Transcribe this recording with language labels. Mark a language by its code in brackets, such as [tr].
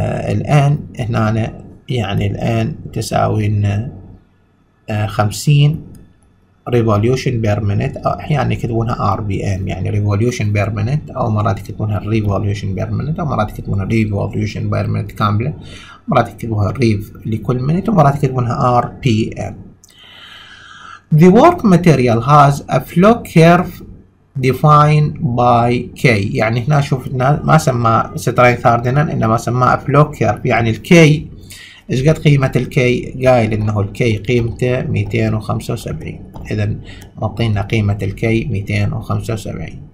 [ar] الان هنا يعني الان تساوي لنا 50 ريفوليوشن بير مينيت او احيانا يكتبونها ار بي ام يعني ريفوليوشن بير مينيت او مرات يكتبونها ريفوليوشن بير مينيت او مرات يكتبونها ريفوليوشن بير مينيت كامله مرات يكتبونها ريف لكل مينيت ومرات يكتبونها ار بي ام. [en] The work material has a flow curve defined by K. [ar] يعني هنا شفنا ما سمى سترين ثاردينال انما سمى فلو كيرف. يعني الكي ايش قد قيمة الكي؟ قايل انه الكي قيمته 275. اذا مطينا قيمة الكي 275.